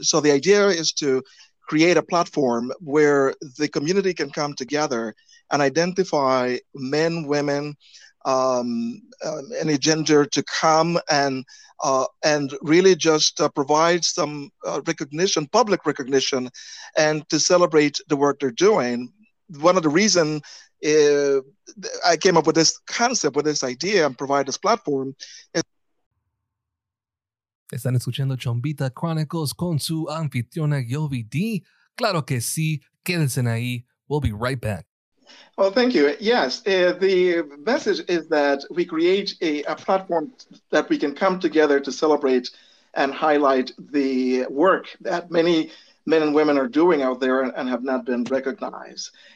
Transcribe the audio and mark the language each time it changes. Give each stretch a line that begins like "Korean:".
English: So the idea is to create a platform where the community can come together and identify men, women, any gender to come and really just provide some recognition, public recognition, and to celebrate the work they're doing. One of the reason I came up with this concept, with this idea, and provide this platform is.
Spanish: ¿Están escuchando Chombita Chronicles con su anfitriona Yovi D? Claro que sí. Quédense ahí.
English: We'll be right back. Well, thank you. Yes, the message is that we create a platform that we can come together to celebrate and highlight the work that many men and women are doing out there and have not been recognized.